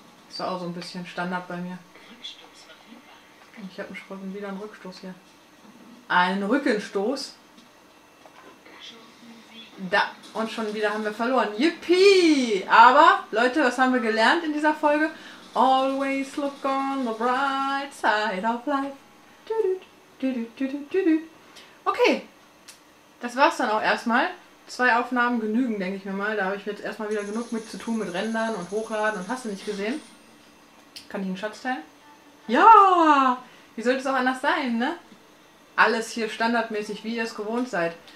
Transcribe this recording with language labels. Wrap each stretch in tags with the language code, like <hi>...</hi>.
<de>Ist auch so ein bisschen Standard bei mir. Ich habe schon wieder einen Rückstoß hier. Einen Rückenstoß? Da. Und schon wieder haben wir verloren. Yippie! Aber, Leute, was haben wir gelernt in dieser Folge?</de> <en>Always look on the bright side of life.</en> <de>Okay. Das war's dann auch erstmal. Zwei Aufnahmen genügen, denke ich mir mal. Da habe ich jetzt erstmal wieder genug mit zu tun, mit Rendern und Hochladen und hast du nicht gesehen. Kann ich einen Schatz teilen? Ja! Wie sollte es auch anders sein, ne? Alles hier standardmäßig, wie ihr es gewohnt seid.</de>